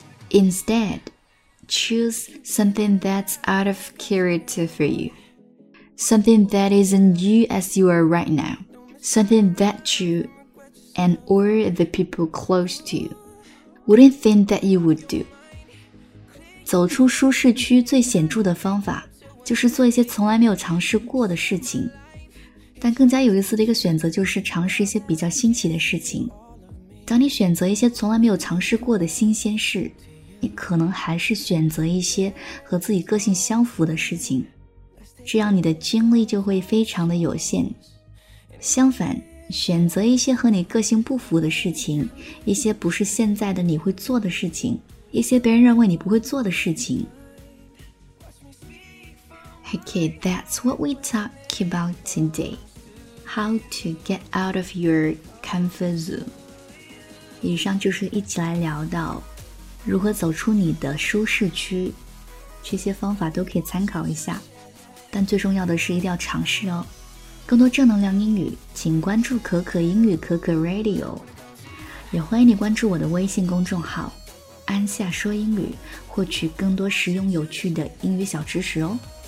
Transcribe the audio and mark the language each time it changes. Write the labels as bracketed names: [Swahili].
[English] Instead, choose something that's out of character for you. Something that isn't you as you are right now. Something that you and or the people close to you wouldn't think that you would do. [Chinese] 走出舒适区最显著的方法就是做一些从来没有尝试过的事情。但更加有意思的一个选择就是尝试一些比较新奇的事情。当你选择一些从来没有尝试过的新鲜事，你可能还是选择一些和自己个性相符的事情，这样你的精力就会非常的有限。相反，选择一些和你个性不符的事情，一些不是现在的你会做的事情，一些别人认为你不会做的事情。 [English] Okay, that's what we talk about today. How to get out of your comfort zone. [Chinese] 以上就是一起来聊到如何走出你的舒适区，这些方法都可以参考一下，但最重要的是一定要尝试哦。更多正能量英语，请关注可可英语可可 Radio， 也欢迎你关注我的微信公众号安夏说英语，获取更多实用有趣的英语小知识哦。